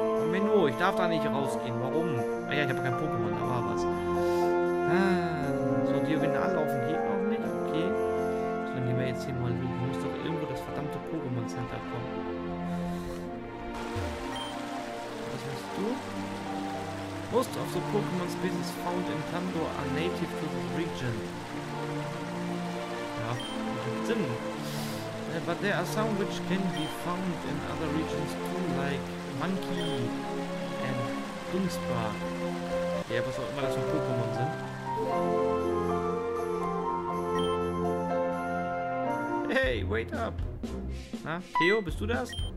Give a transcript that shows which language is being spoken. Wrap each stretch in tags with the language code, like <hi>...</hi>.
<de>Menno, ich darf da nicht rausgehen. Warum? Ah ja, ich habe kein Pokémon, da war was. Ah, so, diagonal laufen geht noch nicht. Okay. So, dann gehen wir jetzt hier mal hin. Ich muss doch irgendwo das verdammte Pokémon Center kommen. Was willst du?</de> <en>Most of the Pokémon species found in Kanto are native to the region.</en> <de>Ja, macht Sinn.</de> <en>But there are some which can be found in other regions too, like Monkey and Dunspa.</en> <de>Ja, was auch immer das für Pokémon sind.</de> <en>Hey, wait up!</en> <de>Na, Theo, bist du das?</de>